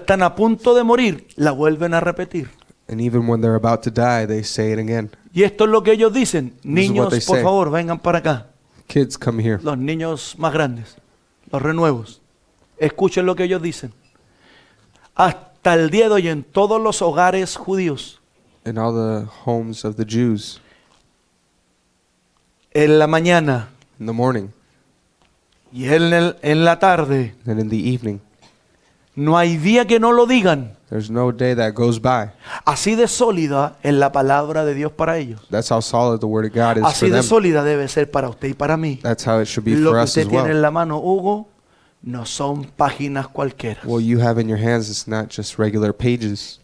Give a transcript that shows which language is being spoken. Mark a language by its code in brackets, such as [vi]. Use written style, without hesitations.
[es] Están a punto de morir, la vuelven a repetir. [en] And even when they're about to die, they say it again. [es] Y esto es lo que ellos dicen. Niños, por favor, vengan para acá. [en] Kids, come here. [es] Los niños más grandes, los renuevos. Escuchen lo que ellos dicen. Hasta el día de hoy en todos los hogares judíos. [en] In all the homes of the Jews. [es] En la mañana. [en] In the morning. [es] Y en la tarde. [en] And in the evening. [es] No hay día que no lo digan. [en] There's no day that goes by. [es] Así de sólida es la palabra de Dios para ellos. [en] That's how solid the word of God is. [es] Así [en] for them. [es] Así de sólida debe ser para usted y para mí. [en] That's how it should be [es] lo [en] for us as well. [es] Lo que tiene en la mano, Hugo, no son páginas cualquiera. [en] What you have in your hands is not just regular pages.